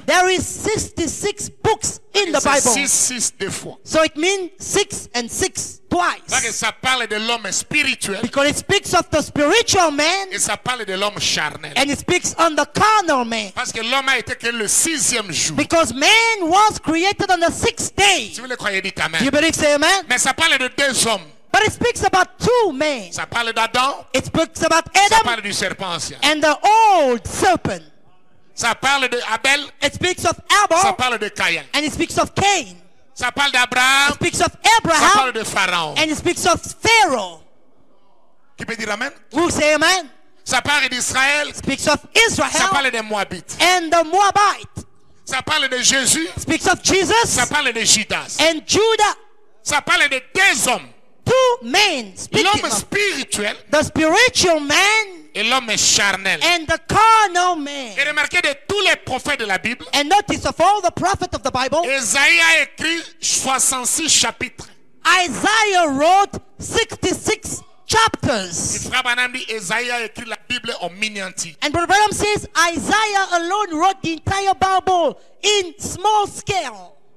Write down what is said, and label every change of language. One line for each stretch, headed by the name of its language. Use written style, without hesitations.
English: There is 66 books in the Bible.
French: 66 deux fois.
English: So it means 6 and 6 twice.
French: Parce que ça parle de l'homme spirituel.
English: Because it speaks of the spiritual man.
French: Et ça parle de l'homme charnel.
English: And it speaks on the carnal man.
French: Parce que l'homme a été créé le sixième jour.
English: Because man was created on the sixth day.
French: Si vous le croyez, dites amen.
English: You believe, say amen.
French: Mais ça parle de deux hommes.
English: But it speaks about two men.
French: Ça parle d'Adam.
English: It speaks about Adam.
French: Ça parle du serpent ancien.
English: And the old serpent.
French: Ça parle de Abel.
English: It speaks of Abel.
French: Ça parle de Caïn.
English: And it speaks of Cain.
French: Ça parle d'Abraham.
English: It speaks of Abraham.
French: Ça parle de Pharaon.
English: And it speaks of Pharaoh.
French: Qui peut dire amen?
English: Who say amen?
French: Ça parle d'Israël.
English: It speaks of Israel.
French: Ça parle des Moabites.
English: And the Moabites.
French: Ça parle de Jésus.
English: It speaks of Jesus.
French: Ça parle de Judas.
English: And Judah.
French: Ça parle de deux hommes.
English: Two men speaking.
French: L'homme spirituel,
English: the spiritual man,
French: et l'homme charnel,
English: and the carnal man.
French: Et remarquez de tous les prophètes de la Bible.
English: And notice of all the prophets of the Bible.
French: Ésaïe a écrit 66 chapitres.
English: Isaiah wrote 66 chapters.
French: Et Frère Branham dit Ésaïe a écrit la Bible en miniature.
English: And Brother Branham says Isaiah alone wrote the entire Bible in small scale.